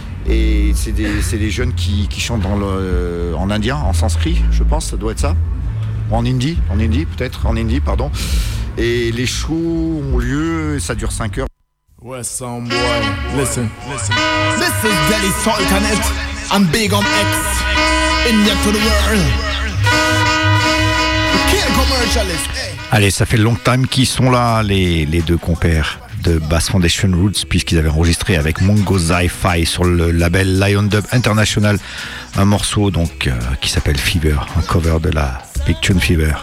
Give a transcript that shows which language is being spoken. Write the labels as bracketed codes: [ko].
[fr] Et c'est des jeunes qui chantent en indien, en sanskrit, je pense, ça doit être ça. Ou en hindi, pardon. Et les shows ont lieu, ça dure 5 heures. Ouais, [en] son boy, listen. This is Delhi Sultanate. I'm big on X, India to the world. Kill commercialist. [fr] Allez, ça fait [en] long time [fr] qu'ils sont là, les deux compères de Bass Foundation Roots, puisqu'ils avaient enregistré avec Mongo Zi-Fi sur le label Lion Dub International un morceau donc qui s'appelle Fever, un cover de la Big Tune Fever.